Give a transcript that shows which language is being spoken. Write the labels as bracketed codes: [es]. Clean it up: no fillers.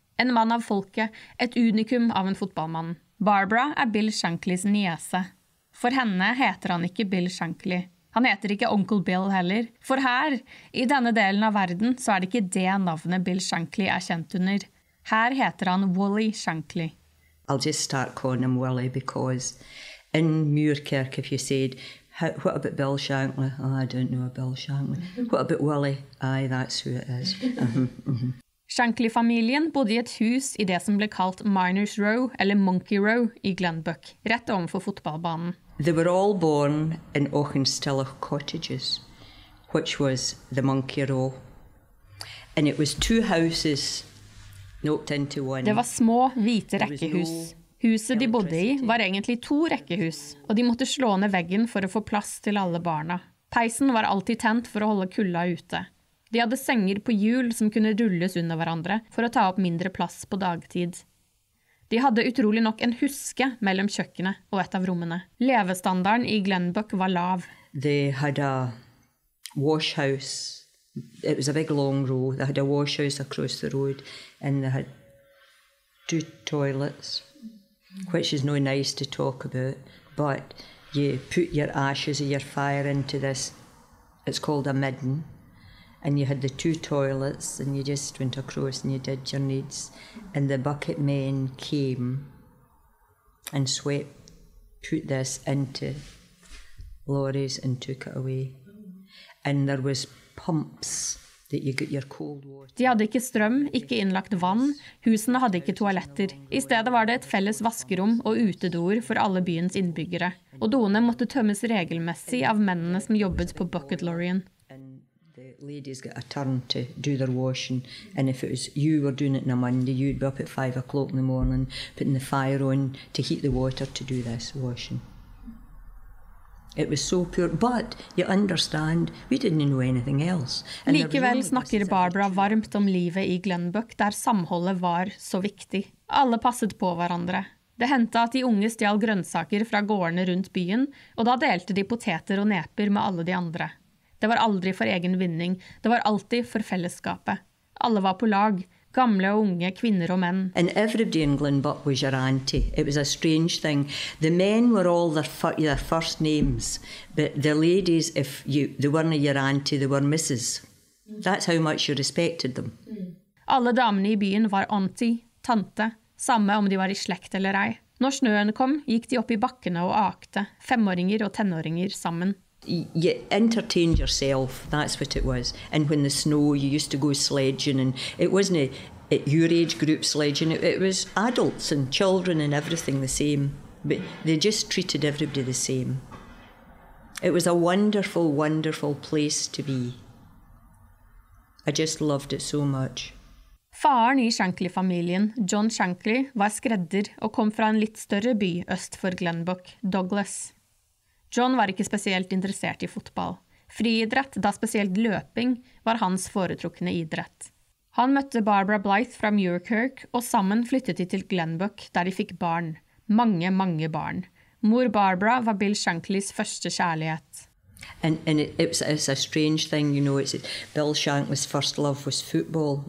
[no] En mann av folket, et unikum av en fotballmann. Barbara er Bill Shanklys niese. For henne heter han ikke Bill Shankly. Han heter ikke Uncle Bill heller. For her, i denne delen av verden, så er det ikke det navnet Bill Shankly er kjent under. Her heter han Wally Shankly. [en] I'll just start calling him Wally because in Muirkirk, if you said, what about Bill Shankly? Oh, I don't know Bill Shankly. What about Wally? Aye, that's who it is. [no] Shankly-familien bodde i et hus i det som ble kalt Miners Row, eller Monkey Row, i Glenbuck, rett overfor fotballbanen. [en] They were all born in Auchinstella Cottages, which was the Monkey Row. And it was two houses knocked into one. [no] Det var små, hvite rekkehus. Huset de bodde i var egentlig to rekkehus, og de måtte slå ned veggen for å få plass til alle barna. Peisen var alltid tent for å holde kulla ute. De hadde senger på hjul som kunne rulles under hverandre for å ta opp mindre plass på dagtid. De hadde utrolig nok en huske mellom kjøkkenet og et av rommene. Levestandarden i Glenbuck var lav. De hadde et washhus. Det var en stor, lang row. De hadde et washhus [en] across the road, [no] og de hadde to toilets. [en] Which is no nice to talk about, but you put your ashes of your fire into this, it's called a midden, and you had the two toilets, and you just went across and you did your needs, and the bucket men came and swept, put this into lorries and took it away. And there was pumps that you got your cold water. [no] De hadde ikke strøm, ikke innlagt vann, husene hadde ikke toaletter. I stedet var det et felles vaskerom og utedoer for alle byens innbyggere. Og doene måtte tømmes regelmessig av mennene som jobbet på bucket lorryen. [en] And the ladies got a turn to do their washing. And if it was you were doing it on a Monday, you'd be up at 5 o'clock in the morning, putting the fire on to heat the water to do this washing. It was so pure, but you understand, we didn't know anything else. [no] And likevel snakker Barbara varmt om livet i Glenbuck, der samholdet var så viktig. Alle passet på hverandre. Det hendte at de unge stjal grønnsaker fra gårdene rundt byen, og da delte de poteter og neper med alle de andre. Det var aldri for egen vinning, det var alltid for fellesskapet. Alle var på lag, gamle og unge, kvinner og menn. [en] And everybody in Glenbuck was your auntie. It was a strange thing. The men were all their first names, but the ladies, if you, they weren't your auntie, they were misses. That's how much you respected them. [no] Alle damene i byen var auntie, tante, samme om de var i slekt eller ei. Når snøen kom, gikk de opp i bakkene og akte, femåringer og tenåringer sammen. [en] You entertained yourself, that's what it was. And when the snow, you used to go sledging, and it wasn't at your age group sledging, it was adults and children and everything the same. But they just treated everybody the same. It was a wonderful, wonderful place to be. I just loved it so much. [no] Faren i Shankly-familien, John Shankly, var skredder og kom fra en litt større by øst for Glenbuck, Douglas. John var ikke spesielt interessert i fotball. Friidrett, da spesielt løping, var hans foretrukne idrett. Han møtte Barbara Blythe fra Muirkirk, og sammen flyttet de til Glenbuck, der de fikk barn. Mange, mange barn. Mor Barbara var Bill Shankly's første kjærlighet. [en] And it's a strange thing, you know, it's Bill Shankly's first love was football.